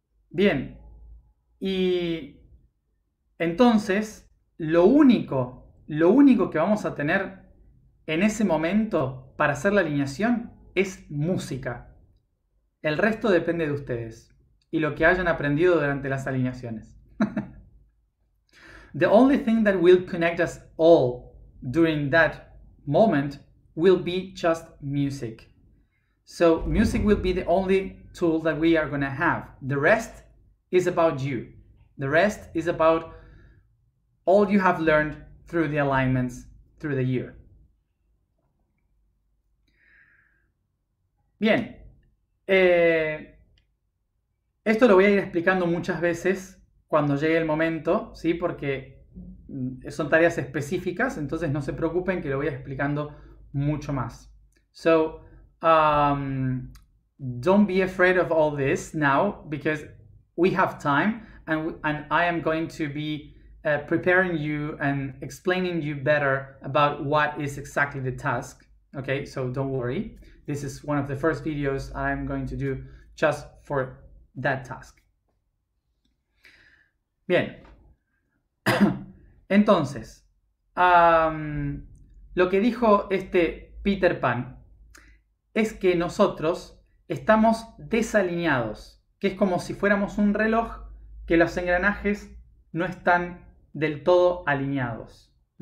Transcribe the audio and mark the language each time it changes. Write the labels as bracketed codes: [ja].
[es] Bien, y entonces lo único que vamos a tener en ese momento para hacer la alineación es música. El resto depende de ustedes y lo que hayan aprendido durante las alineaciones. [en] The only thing that will connect us all during that moment will be just music. So music will be the only tool that we are going to have. The rest is about you. The rest is about all you have learned through the alignments through the year. [es] Bien, esto lo voy a ir explicando muchas veces cuando llegue el momento, ¿sí? Porque son tareas específicas, entonces no se preocupen que lo voy a ir explicando mucho más. [en] So, don't be afraid of all this now because we have time and I am going to be preparing you and explaining you better about what is exactly the task. Okay, so don't worry. This is one of the first videos I'm going to do just for that task. [es] Bien. Entonces, lo que dijo este Peter Pan es que nosotros estamos desalineados, que es como si fuéramos un reloj que los engranajes no están del todo alineados.